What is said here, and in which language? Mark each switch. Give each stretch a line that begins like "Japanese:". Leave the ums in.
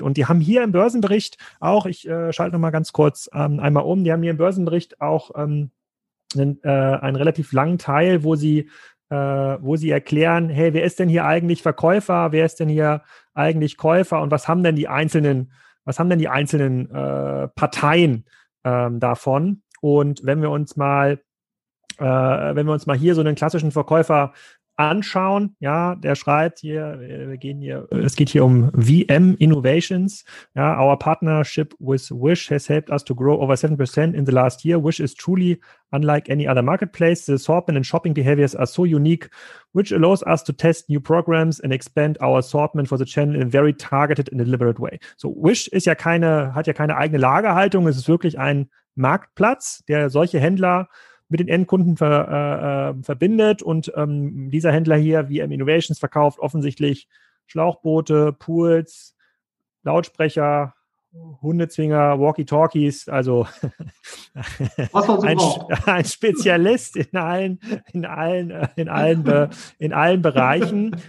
German: Und die haben hier im Börsenbericht auch, ich schalte nochmal ganz kurz einmal um, die haben hier im Börsenbericht auch einen, äh, einen, relativ langen Teil, wo sie, äh, wo sie erklären, hey, wer ist denn hier eigentlich Verkäufer, wer ist denn hier eigentlich Käufer und was haben denn die einzelnen, was haben denn die einzelnen äh, Parteien ähm, davon? Und wenn wir uns mal, wenn wir uns mal hier so einen klassischen Verkäufer anschauen. Ja, der schreibt hier, wir gehen hier, es geht hier um VM Innovations.
English: Ja, our partnership with Wish has helped us to grow over 7% in the last year. Wish is truly unlike any other marketplace. The assortment and shopping behaviors are so unique, which allows us to test new programs and expand our assortment for the channel in a very targeted and deliberate way.
German: So Wish ist ja keine, hat ja keine eigene Lagerhaltung. Es ist wirklich ein Marktplatz, der solche Händler mit den Endkunden ver, äh, verbindet und ähm, dieser Händler hier, VM ähm, Innovations, verkauft offensichtlich Schlauchboote, Pools, Lautsprecher, Hundezwinger, Walkie-Talkies, also ein, ein, Spezialist in allen, in allen, in allen, in allen, in allen Bereichen.